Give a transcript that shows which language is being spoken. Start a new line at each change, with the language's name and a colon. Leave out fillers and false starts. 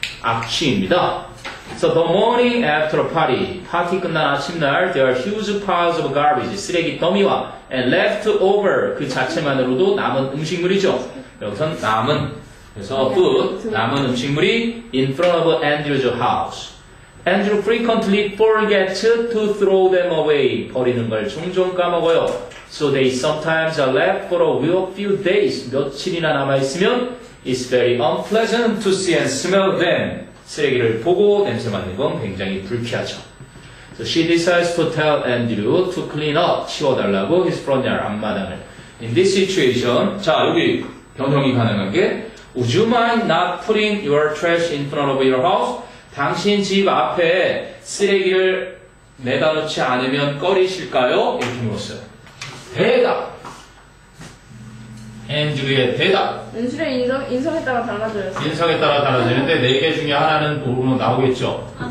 Korean: 악취입니다.
English: So the morning after a party,
Korean: 파티 끝난 아침날
English: there are huge piles of garbage,
Korean: 쓰레기 더미와
English: and leftover,
Korean: 그 자체만으로도 남은 음식물이죠. 여기선 남은, 그래서 food, 남은 음식물이
English: in front of Andrew's house. Andrew frequently forgets to throw them away.
Korean: 버리는 걸 종종 까먹어요.
English: So they sometimes are left for a few days.
Korean: 며칠이나 남아있으면
English: It's very unpleasant to see and smell them.
Korean: 쓰레기를 보고 냄새 맡는 건 굉장히 불쾌하죠.
English: So she decides to tell Andrew to clean up,
Korean: 치워달라고
English: his front yard
Korean: 앞마당을.
English: In this situation,
Korean: 자 여기 변형이 가능한 게
English: Would you mind not putting your trash in front of your house?
Korean: 당신 집 앞에 쓰레기를 내다 놓지 않으면 꺼리실까요? 이렇게 물었어요. 대답! 앤드류의 대답! 앤드류의 인성에 따라 달라져요. 인성에 따라 달라지는데 네 개 중에 하나는 도로 나오겠죠?